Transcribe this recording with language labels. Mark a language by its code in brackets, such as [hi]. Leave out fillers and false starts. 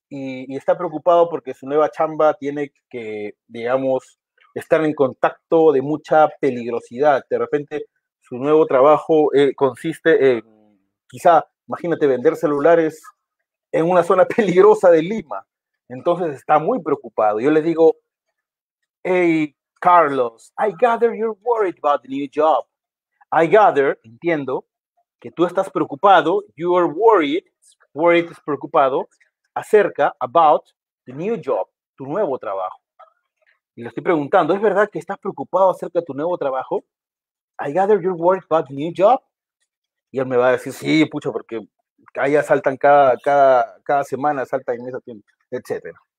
[es] Y está preocupado porque su nueva chamba tiene que, digamos, estar en contacto de mucha peligrosidad. De repente, su nuevo trabajo consiste en, quizá, imagínate, vender celulares en una zona peligrosa de Lima. Entonces, está muy preocupado. Yo le digo, [en] hey, Carlos, I gather you're worried about the new job. I gather, [es] entiendo, que tú estás preocupado. [en] You are worried. [es] Worried es preocupado. Acerca, about, the new job, tu nuevo trabajo. Y le estoy preguntando, ¿es verdad que estás preocupado acerca de tu nuevo trabajo? [en] I gather you're worried about the new job. [es] Y él me va a decir, sí, pucha, porque allá saltan cada semana, saltan en esa tienda, etc.